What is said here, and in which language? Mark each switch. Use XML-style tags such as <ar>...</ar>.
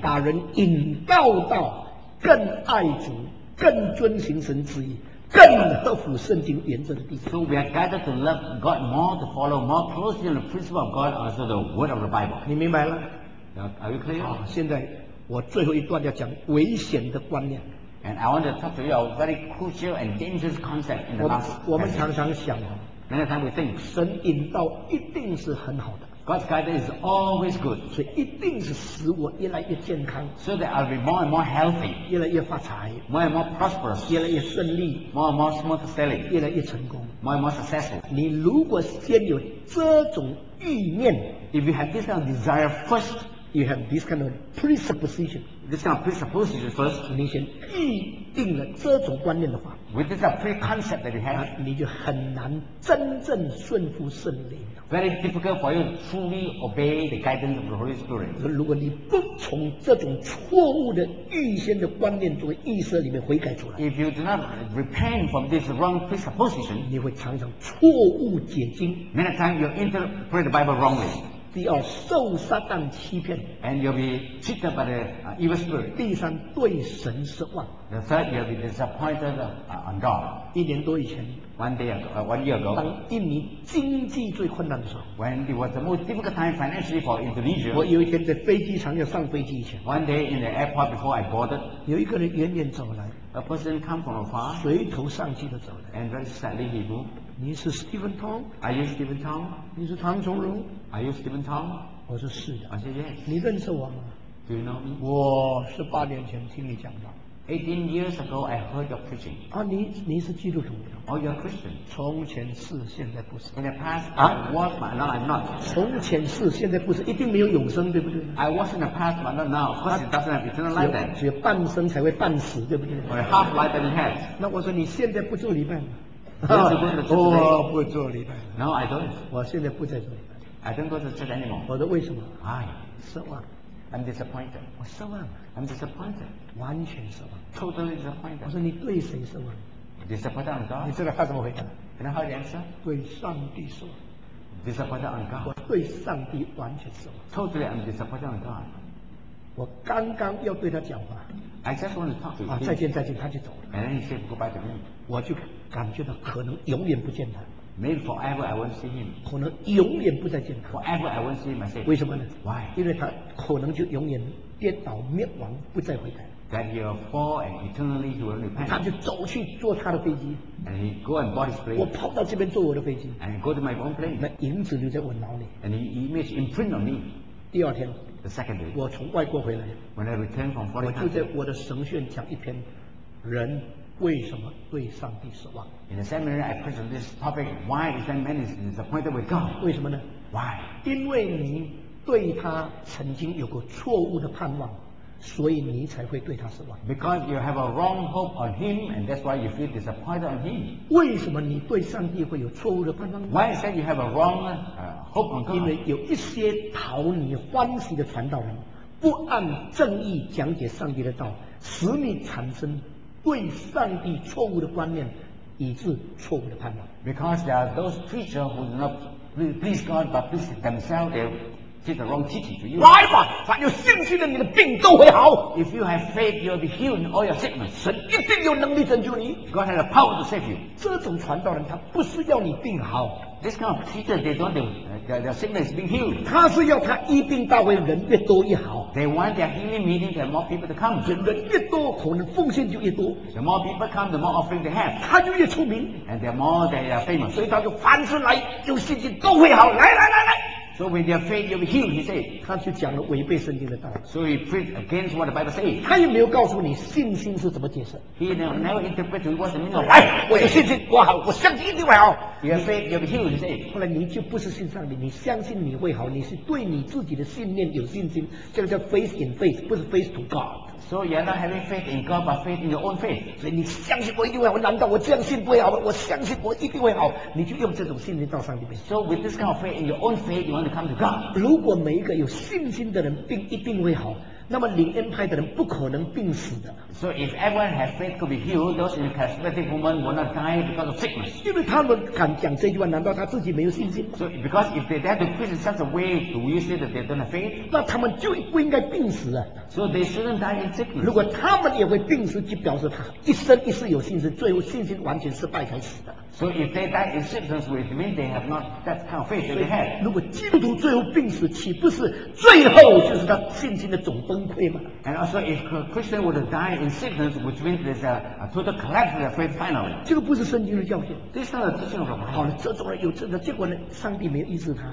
<zh>把人引导到更爱主、更遵行神旨意、更合乎圣经原则的弟兄。</zh> <en>So we are gathered to love God more, to follow more closely the principle of God, also the word of the Bible.</en> <zh>你明白了？</zh> <en>Now, are you clear?</en> <zh>好，现在我最后一段要讲危险的观念。</zh> <en>And I want to talk to you a very crucial and dangerous concept in the last.</en> <zh>我们常常想哦。</zh> <en>Many times we think</en> <zh>神引导一定是很好的。</zh> <en>God's guidance is always good.</en> <zh>所以一定是使我越来越健康。</zh> <en>So that I'll be more and more healthy.</en> <zh>越来越发财。</zh> <en>More and more prosperous.</en> <zh>越来越顺利。</zh> <en>More and more smooth sailing.</en> <zh>越来越成功。</zh> <en>More and more successful.</en> <zh>你如果先有这种意念</zh> <en>，If you have this kind of desire first, you have this kind of presupposition. This kind of presupposition first.</en> <zh>你先预定了这种观念的话</zh> <en>，With this preconcept that you have,</en> <zh>你就很难真正顺服圣灵。</zh> <en>Very difficult for you to truly obey the guidance of the Holy Spirit.</en> <zh>如果你不从这种错误的预先的观念作为意识里面悔改出来</zh> <en>，If you do not repent from this wrong presupposition,</en> <zh>你会常常错误解经。</zh> <en>Many times you interpret the Bible wrongly.</en> <zh>第二，受撒旦欺骗。</zh> <en>And you'll be cheated by the evil spirit.</en> <zh>第三，对神失望。</zh> <en>The third, you'll be disappointed on God.</en> <zh>一年多以前。</zh> <en>One year ago,</en> <zh>当印尼经济最困难的时候</zh> <en>，When it was the most difficult time financially for Indonesia，</en> <zh>我有一天在飞机上要上飞机前</zh> <en>，One day in the airport before I boarded，</en> <zh>有一个人远远走来</zh> <en>，A person come from afar，</en> <zh>垂头丧气的走来</zh> <en>，And very sadly he moved。</en> <zh>你是 Stephen Tong？</zh> <en>Are you Stephen Tong？</en> <zh>你是唐崇荣</zh> <en>？Are you Stephen Tong？</en> <zh>我说是的。</zh> <en>I said yes。</en> <zh>你认识我吗</zh> <en>？Do you know me？</en> <zh>我是八年前听你讲的。</zh> <en>18 years ago, I heard your preaching.</en> <zh>啊，你是基督徒。</zh> <en>Oh, you're Christian.</en> <zh>从前是，现在不是。</zh> <en>In the past, I was, but now I'm not.</en> <zh>从前是，现在不是，一定没有永生，对不对</zh> <en>？I was in the past, but not now. Of course, it doesn't have eternal life.</en> <zh>只有半生才会半死，对不对</zh> <en>？Or half life that he has.</en> <zh>那我说你现在不做礼拜吗？我不做礼拜。</zh> <en>No, I don't.</en> <zh>我现在不再做礼拜。</zh> <en>I don't go to church anymore.</en> <zh>我说为什么</zh> <en>？Why?</en> <zh>失望。</zh> <en>I'm disappointed.</en> <zh>我失望。</zh> <en>I'm disappointed.</en> <zh>完全失望。</zh> <en>Totally disappointed.</en> <zh>我说你对谁失望</zh> <en>？Disappointed on God.</en> <zh>你知道他怎么回答</zh> <en>？You know how he answered?</en> <zh>对上帝失望。</zh> <en>Disappointed on God.</en> <zh>我对上帝完全失望。</zh> <en>Totally, I'm disappointed on God.</en> <zh>我刚刚要对他讲话。</zh> <en>I just want to talk to him.</en> <zh>啊，再见，再见，他就走了。</zh> <en>And then he said goodbye to me.</en> <zh>我就感觉到可能永远不见他。</zh> <en>Maybe forever I won't see him.</en> <zh>可能永远不再见他。</zh> <en>Forever I won't see him. I said.</en> <zh>为什么呢</zh> <en>？Why?</en> <zh>因为他可能就永远跌倒灭亡，不再回来。</zh> <en>That he will fall and eternally he will repent.</en> <zh>他就走去坐他的飞机。</zh> <en>And he go and board his plane.</en> <zh>我跑到这边坐我的飞机。</zh> <en>And go to my own plane.</en> <zh>那影子留在我脑里。</zh> <en>And he image imprint on me.</en> <zh>第二天。</zh> <en>The second day.</en> <zh>我从外国回来。</zh> <en>When I return from foreign country.</en> <zh>我就在我的神学院讲一篇，人。为什么对上帝失望</zh> <en>？In the seminary, I preach on this topic. Why is that man is disappointed with God?</en> <zh>为什么呢</zh> <en>？Why?</en> <zh>因为你对他曾经有过错误的盼望，所以你才会对他失望。</zh> <en>Because you have a wrong hope on him, and that's why you feel disappointed on him.</en> <zh>为什么你对上帝会有错误的盼望</zh> <en>？Why is that you have a wrong hope on God?</en> <zh>因为有一些讨你欢喜的传道人，不按正义讲解上帝的道，使你产生。对上帝错误的观念，以致错误的判断。</zh> <en>Because there are those preachers who do not please God, but please themselves, they teach the wrong teaching to you.</en> <zh>来吧，凡有信心的，你的病都会好。</zh> <en>If you have faith, you'll be healed in all your sickness.</en> <zh>神一定有能力拯救你。</zh> <en>God has the power to save you.</en> <zh>这种传道人，他不是要你病好。</zh> <en>This kind of teacher, they don't want their sickness being healed.</en> <zh>他是要他医病大会人越多越好。</zh> <en>They want their healing meeting to have more people to come.</en> <zh>人越多，可能奉献就越多。</zh> <en>The more people come, the more offering they have.</en> <zh>他就越出名。</zh> <en>And the more they are famous.</en> <zh>所以他就凡是来有信心都会好。来来来来。</zh> <en>So when their faith will be healed, he said.</en> <zh>他就讲了违背圣经的道。</zh> <en>So he preached against what the Bible says.</en> <zh>他也没有告诉你信心是怎么解释。</zh> <en>He never interpreted what the meaning of faith.</en> <zh>我有信心，我好，我相信一定会好。</zh> <en>Your faith will be healed, he said.</en> <zh>后来你就不是信上帝，你相信你会好，你是对你自己的信念有信心，这个叫</zh> <en>faith in faith，</en> <zh>不是</zh> <en>faith to God。 So you're not having faith in God, but faith in your own faith.</en> <zh>所以你相信我一定会好，难道我这样信不好吗？我相信我一定会好，你就用这种信心到上帝面前。</zh> <en>So with this kind of faith in your own faith, you want to come to God.</en> <zh>如果每一个有信心的人病一定会好，那么领恩派的人不可能病死的。</zh> <en>So if everyone has faith could be healed, those in charismatic movement will not die because of sickness.</en> <zh>因为他们敢讲这句话，难道他自己没有信心</zh> <en>？So because if they dare to preach in such a way, do you say that they don't have faith?</en> <zh>那他们就不应该病死啊。</zh> <en>So they shouldn't die in sickness.</en> <zh>如果他们也会病死，就表示他一生一世有信心，最后信心完全失败才死的。</zh> <en>So if they die in sickness, which means they have not that kind of faith that they had.</en> <zh>如果基督徒最后病死，岂不是最后就是他信心的总崩？</zh> <en>And also, if a Christian would die in sickness, which means there's a total collapse of the faith finally.</en> <zh>这个不是圣经的教训。</zh> <en>This is not a teaching of the Bible.</en> <zh>好了，这种人有这个，结果呢，上帝没有医治他。</zh>